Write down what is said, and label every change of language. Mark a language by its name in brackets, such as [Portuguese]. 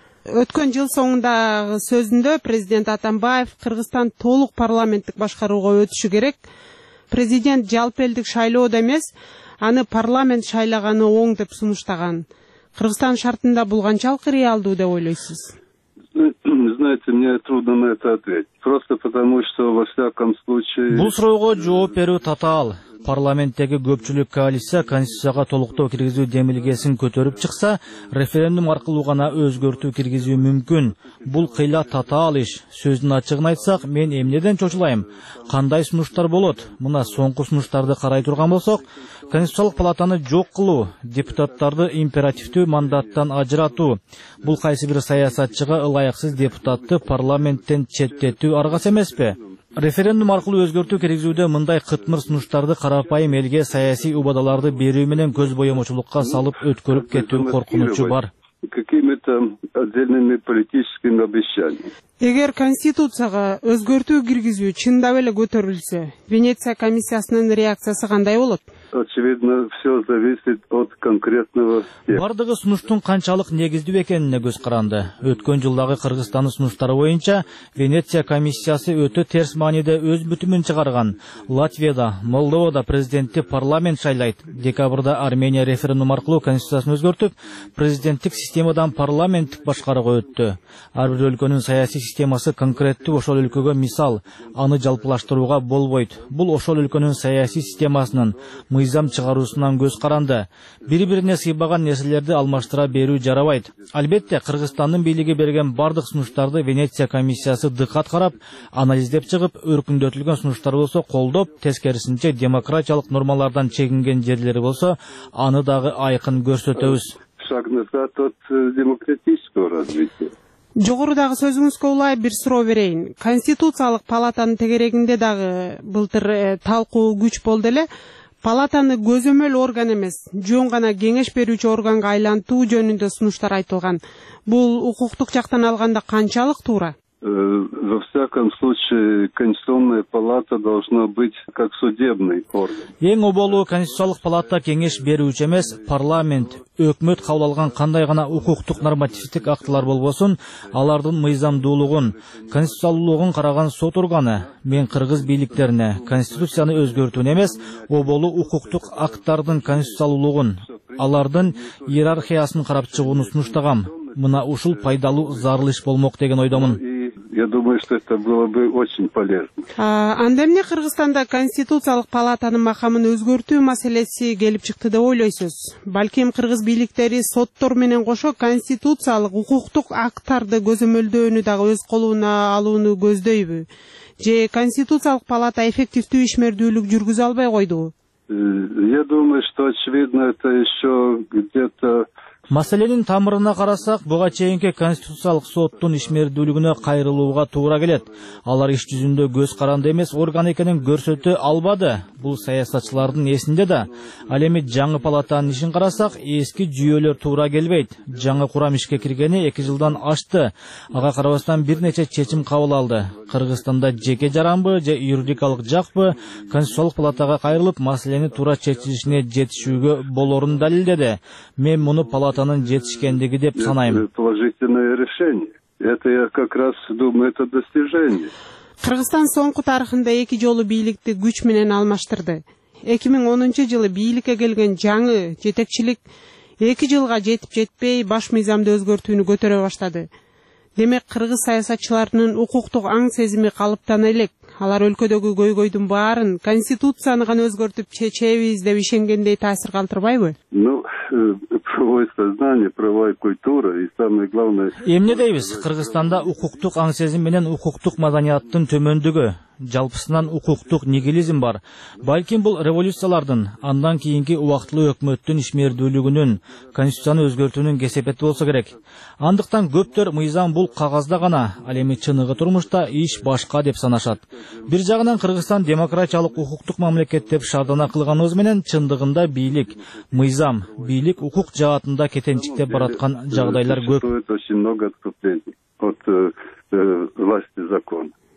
[Kyrgyz] Өткөн жыл соңундагы сөзүндө президент Атамбаев Кыргызстан толук парламенттик башкарууга өтүшү керек. Президент жалпы элдик шайлоодо эмес, аны парламент шайлаганы оң деп сунуштаган. Кыргызстан шартында бул канчалык реалдуу деп ойлойсуз? [Russian] Знаете, мне трудно на это ответить. Просто потому что во всяком случае. [Kyrgyz] Бул суроого жооп берүү татаал. Парламенттеги көпчүлүк коалиция конституцияга толуктоо киргизүү демилгесин көтөрүп чыкса, референдум аркылуу гана өзгөртүү киргизүү мүмкүн. Бул кыйла татаал иш. Сөздүн ачыгын айтсак, мен эмнеден чочулайм? Кандай сунуштар болот? Мына соңку сунуштарды карай турган болсок, конституциялык палатаны жок кылуу, депутаттарды императивдүү мандаттан ажыратуу, бул кайсы бир саясатчыга ылайыксыз депутатты парламенттен четтетүү аргасы эмеспи? Референдум аркылуу өзгөртүү киргизүүдө мындай кытмыр сунуштарды карапайым элге саясий убадаларды берүү менен көз боемочулукка салып өткөрүп кетүү коркунучу бар. [Russian] Какими-то отдельными политическими обещаниями. [Kyrgyz] Эгер конституцияга өзгөртүү киргизүү чындап эле көтөрүлсө, Венеция комиссиясынын реакциясы кандай болот? [Russian] Очевидно, все зависит от конкретного. [Kyrgyz] Бардыгы сунуштун канчалык негиздүү экенине көз каранды. Өткөн жылдагы Кыргызстандын сунуштары боюнча Венеция комиссиясы өтө терс мааниде өз бүтүмүн чыгарган. Латвияда, Молдовада президентти парламент шайлайт. Декабрда Армения референдум аркылуу конституциясын өзгөртүп, президенттик системадан парламенттик башкарууга өттү. Ар бир өлкөнүн саясий системасы конкреттүү ошол өлкөгө мисал, аны жалпылаштырууга болбойт. Бул ошол өлкөнүн саясий системасынын мыйзам чыгаруусунан көз каранды. Бири бирине сыйбаган нерселерди алмаштыра берүү жарабайт. Албетте, Кыргызстандын бийлиги берген бардык сунуштарды Венеция комиссиясы дыкат карап, анализдеп чыгып, өркүндөтүлгөн сунуштар болсо колдоп, тескерисинче демократиялык нормалардан чегинген жерлери болсо, аны дагы айкын көрсөтөбүз. [Russian] Шаг назад от демократического развития. [Kyrgyz] Жогорудагы сөзүңүзгө улай бир суроо берейин. Конституциялык палатанын тегерегинде дагы былтыр талкуу күч болду эле. Палатаны көзөмөл орган эмес, жөн гана кеңеш берүүчү органга айлантуу жөнүндө сунуштар айтылган. Бул укуктук жактан алганда канчалык туура? [Russian] Во всяком случае, Конституционная палата должна быть как судебный орган. [Kyrgyz] Эң оболуу Конституциялык палата кеңеш берүүчү эмес, парламент, өкмөт кабыл алган кандай гана укуктук нормативдик актылар болбосун, алардын мыйзамдуулугун, конституциялуулугун караган сот органы, мен кыргыз бийликтерине Конституцияны өзгөртүүнү эмес, оболуу укуктук акттардын конституциялуулугун, алардын иерархиясын карап чыгууну сунуштагам. Мына ушул пайдалуу зарыл иш болмок деген ойдомун. [Russian] Я думаю, что это было бы очень полезно. [Kyrgyz] Анда эмне Кыргызстанда Конституциялык палатанын макамын өзгөртүү маселеси келип чыкты деп ойлойсуз? Балким кыргыз бийликтери соттор менен кошо конституциялык укуктук акттарды көзөмөлдөөнү дагы өз колуна алууну көздөйбү? Же Конституциялык палата эффективдүү ишмердүүлүк жүргүзө албай койдубу? [Russian] Я думаю, что очевидно, это еще где-то. [Kyrgyz] Маселенин тамырына карасак, буга чейинки конституциялык соттун ишмердүүлүгүнө кайрылууга туура келет. Алар иш жүзүндө көз каранды эмес орган экенин көрсөтө албады. Бул саясатчылардын эсинде да. Ал эми жаңы палатанын ишин карасак, эски жүйөлөр туура келбейт. Жаңы курам ишке киргени 2 жылдан ашты. Ага карабастан бир нече чечим кабыл алды. Кыргызстанда жеке жарамбы же юридикалык жакпы конституциялык палатага кайрылып, маселени туура чечилишине жетишүүгө болорун далилдеди. Мен муну палатанын жетишкендиги деп санайм. [Russian] Положительное решение. Это я как раз думаю, это достижение. [Kyrgyz] Кыргызстан соңку тарыхында 2 жолу бийликти күч менен алмаштырды. 2010-жылы бийликке келген жаңы жетекчилик 2 жылга жетип жетпей баш мыйзамды өзгөртүүнү көтөрө баштады. Демек кыргыз саясатчыларынын укуктук аң сезими калыптана элек. Алар өлкөдөгү көйгөйдүн баарын конституцияны гана өзгөртүп чечебиз деп ишенгендей таасир калтырбайбы? [Russian] Ну, правовое сознание, правовая культура и самое главное. [Kyrgyz] Эмне дейбиз? Кыргызстанда укуктук аң сезим менен укуктук маданияттын төмөндүгү, жалпысынан укуктук нигилизм бар. Балким бул революциялардын, андан кийинки убактылуу өкмөттүн ишмердүүлүгүнүн, конституцияны өзгөртүүнүн кесепети болсо керек. Андыктан көптөр мыйзам бул кагазда гана, ал эми чыныгы турмушта иш башка деп санашат. Бир жагынан Кыргызстан демократиялык укуктук мамлекет деп шаардана кылганыбыз менен, чындыгында бийлик, мыйзам, бийлик укук жаатында кетенчиктеп бараткан жагдайлар көп. [Russian] Очень много отступлений от власти закона.